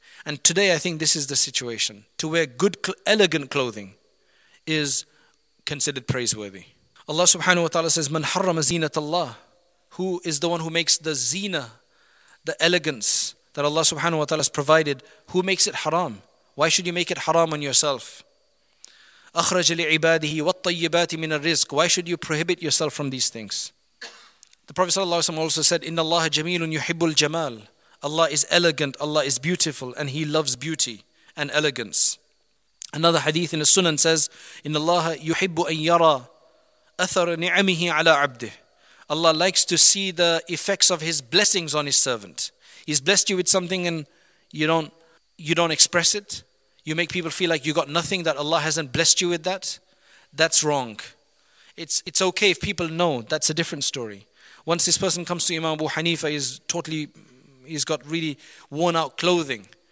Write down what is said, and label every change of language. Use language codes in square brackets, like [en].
[en] And today I think this is the situation. To wear good, elegant clothing is considered praiseworthy. Allah subhanahu wa ta'ala says, [ar] "Man harrama zinat Allah," [en] who is the one who makes the zina, the elegance that Allah subhanahu wa ta'ala has provided, who makes it haram? Why should you make it haram on yourself? [ar] أخرج لعباده والطيبات من الرزق. [en] Why should you prohibit yourself from these things? The Prophet sallallahu alaihi wasallam also said, [ar] إِنَّ اللَّهَ جَمِيلٌ يُحِبُّ الْجَمَالِ. [en] Allah is elegant, Allah is beautiful, and He loves beauty and elegance. Another hadith in the Sunan says, [ar] إِنَّ اللَّهَ يُحِبُّ أَن يَرَى أَثَرَ نِعَمِهِ عَلَىٰ عَبْدِهِ. [en] Allah likes to see the effects of His blessings on His servant. He's blessed you with something and you don't express it. You make people feel like you got nothing, that Allah hasn't blessed you with that. That's wrong. It's okay if people know. That's a different story. Once this person comes to Imam Abu Hanifa, he's got really worn out clothing.